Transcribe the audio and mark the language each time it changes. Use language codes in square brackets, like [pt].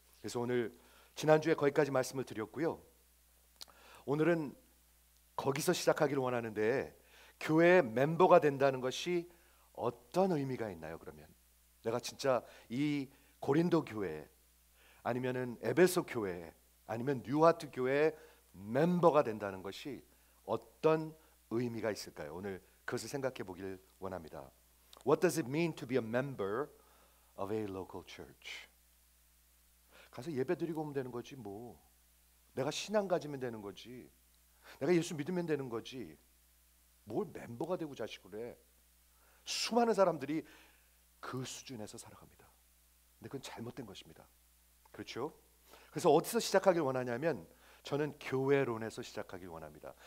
[ko] 그래서 오늘 지난주에 거기까지 말씀을 드렸고요, 오늘은 거기서 시작하기를 원하는데, 교회 멤버가 된다는 것이 어떤 의미가 있나요? 그러면 내가 진짜 이 고린도 교회, 아니면은 에베소 교회, 아니면 뉴하트 교회 멤버가 된다는 것이 어떤 의미가 있을까요? 오늘 그것을 생각해 보길 원합니다. [en] What does it mean to be a member of a local church? [ko] 가서 예배 드리고 오면 되는 거지 뭐. 내가 신앙 가지면 되는 거지. 내가 예수 믿으면 되는 거지. 뭘 멤버가 되고 자식 그래. 수많은 사람들이 그 수준에서 살아갑니다. 근데 그건 잘못된 것입니다. 그렇죠? 그래서 어디서 시작하길 원하냐면, 저는 교회론에서 시작하길 원합니다.